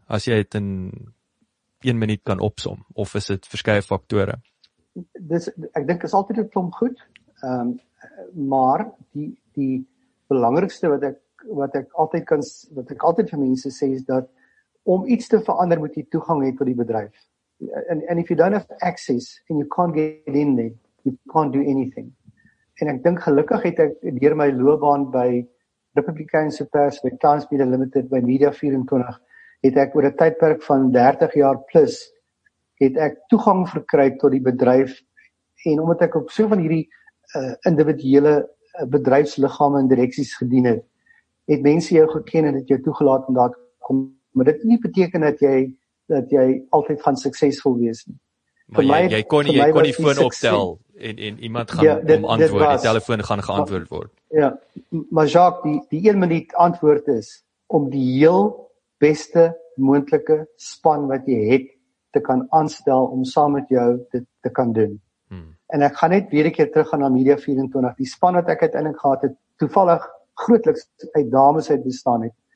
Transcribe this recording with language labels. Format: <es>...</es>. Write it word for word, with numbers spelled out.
<af>As jy dit in een minuut kan opsom of is dit verskeie faktore? Dis ek dink is altyd 'n klomp goed. Ehm um, maar die die belangrikste wat ek wat ek altyd kan wat ek altyd vir mense sê is dat om iets te verander moet jy toegang hê tot die bedryf.</af> <en>And, and if you don't have access and you can't get in there, you can't do anything.</en> <af>En ek dink gelukkig het ek deur my loopbaan by Republikeinse Pers, by Clans Media Limited, by Media24, het ek oor 'n tydperk van dertig jaar plus, het ek toegang verkry tot die bedryf. En omdat ek op so van hierdie uh, individuele bedryfsliggame en direksies gedien het, het mense jou geken en het jou toegelaat om daar te kom. Maar dit nie beteken dat jy dat jy altyd gaan suksesvol wees nie. Maar my, jy, jy kon nie, jy kon nie foon optel en en iemand gaan ja, dit, om antwoord, was, die telefoon gaan geantwoord word. Ja, maar Jacques, die die een minuut antwoord is om die heel beste moontlike span wat jy het te kan aanstel om saam met jou dit te kan doen. Hmm. En ek gaan net weer 'n keer terug gaan na Media24. Die span wat ek uiteindelik gehad het, toevallig grootliks uit dames uit bestaan het.</af>